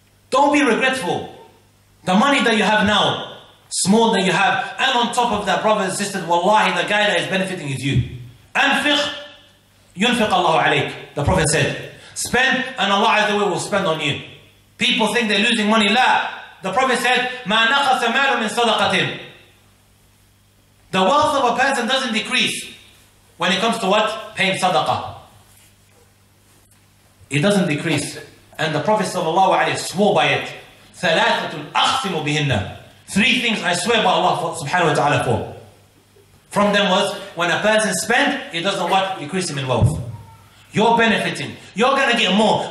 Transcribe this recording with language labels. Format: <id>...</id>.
<en>Don't be regretful. The money that you have now, small that you have, and on top of that, brothers and sisters, wallahi, the guy that is benefiting is you.</en> <ar>Anfiq, yunfiq Allahu alayk.</ar> <en>The Prophet said, spend, and Allah Azza wa Jalla will spend on you. People think they're losing money.</en> <ar>La.</ar> <en>The Prophet said,</en> <ar>ما نقص مال من صدقتين.</ar> <en>The wealth of a person doesn't decrease when it comes to what? Paying sadaqah. It doesn't decrease. And the Prophet sallallahu alayhi wa swore by it.</en> <ar>ثَلَاثَةٌ أَخْسِمُ بِهِنَّ.</ar> <en>Three things I swear by Allah subhanahu wa ta'ala for. From them was, when a person spend, it doesn't what? Decrease him in wealth. You're benefiting. You're going to get more.</en>